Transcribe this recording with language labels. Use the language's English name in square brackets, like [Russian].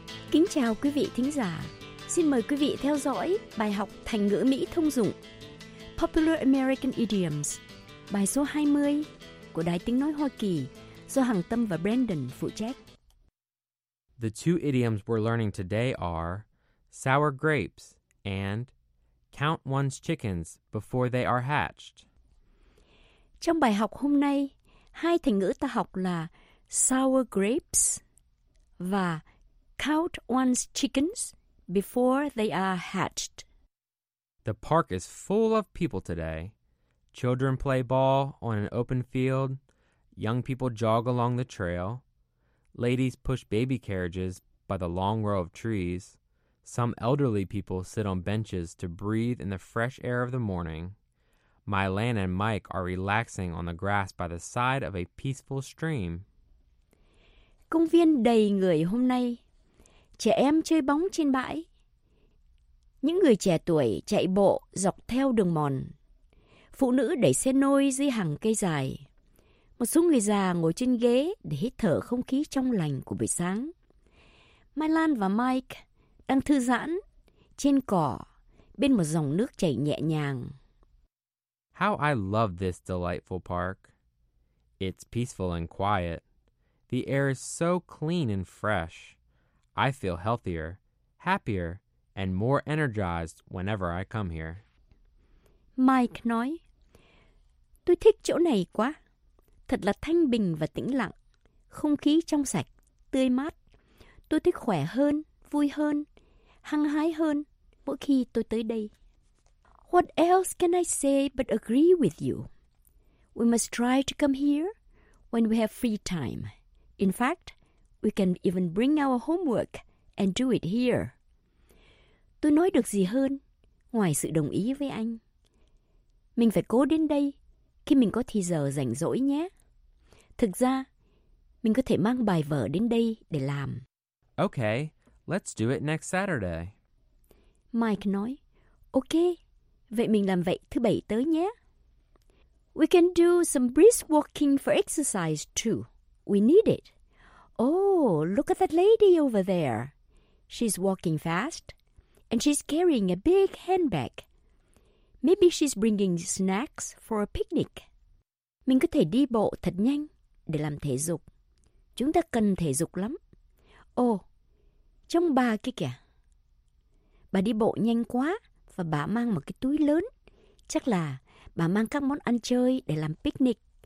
[Vietnamese] Kính chào quý vị thính giả. Xin mời quý vị theo dõi bài học thành ngữ Mỹ thông dụng [English] Popular American Idioms, [Vietnamese] bài số 20 của Đài Tiếng Nói Hoa Kỳ do Hằng Tâm và Brandon phụ trách. [English] The two idioms we're learning today are sour grapes and count one's chickens before they are hatched. [Vietnamese] Trong bài học hôm nay, hai thành ngữ ta học là [English] sour grapes [Vietnamese] và [English] count one's chickens before they are hatched. The park is full of people today. Children play ball on an open field. Young people jog along the trail. Ladies push baby carriages by the long row of trees. Some elderly people sit on benches to breathe in the fresh air of the morning. Mylan and Mike are relaxing on the grass by the side of a peaceful stream. [Vietnamese] Công viên đầy người hôm nay. Trẻ em chơi bóng trên bãi. Những người trẻ tuổi chạy bộ dọc theo đường mòn. Phụ nữ đẩy xe nôi dưới hàng cây dài. Một số người già ngồi trên ghế để hít thở không khí trong lành của buổi sáng. Mylan và Mike đang thư giãn trên cỏ bên một dòng nước chảy nhẹ nhàng. [English] How I love this delightful park. It's peaceful and quiet. The air is so clean and fresh. I feel healthier, happier, and more energized whenever I come here. [Vietnamese] Mike nói, tôi thích chỗ này quá. Thật là thanh bình và tĩnh lặng. Không khí trong sạch, tươi mát. Tôi thích khỏe hơn, vui hơn, hăng hái hơn mỗi khi tôi tới đây. [English] What else can I say but agree with you? We must try to come here when we have free time. In fact, we can even bring our homework and do it here. [Vietnamese] Tôi nói được gì hơn ngoài sự đồng ý với anh? Mình phải cố đến đây khi mình có thì giờ rảnh rỗi nhé. Thực ra, mình có thể mang bài vở đến đây để làm. [English] Okay, let's do it next Saturday. [Vietnamese] Mike nói, okay, vậy mình làm vậy thứ bảy tới nhé. [English] We can do some brisk walking for exercise too. We need it. Oh, look at that lady over there. She's walking fast, and she's carrying a big handbag. Maybe she's bringing snacks for a picnic. [Vietnamese] Mình có thể đi bộ thật nhanh để làm thể dục. Chúng ta cần thể dục lắm. Oh, trông bà kia kìa. Bà đi bộ nhanh quá và bà mang một cái túi lớn. Chắc là bà mang các món ăn chơi để làm picnic.